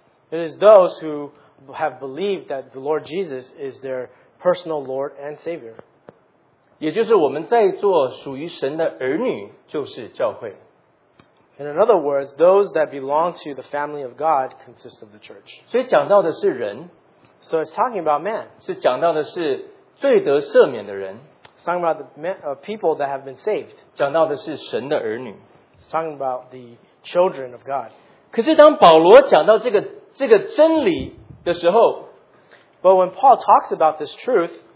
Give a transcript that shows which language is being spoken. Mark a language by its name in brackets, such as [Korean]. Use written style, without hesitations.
[English] It is those who have believed that the Lord Jesus is their personal Lord and Savior. [Chinese] 也就是我们在座属于神的儿女就是教会。 [English] In other words, those that belong to the family of God consist of the church. [Chinese] 所以讲到的是人。 [English] So it's talking about man. [Chinese] 是讲到的是罪得赦免的人。 [English] It's talking about the people that have been saved. [Chinese] 讲到的是神的儿女。 [English] It's talking about the children of God. [Chinese] 可是当保罗讲到这个真理的时候, [English] But when Paul talks about this truth,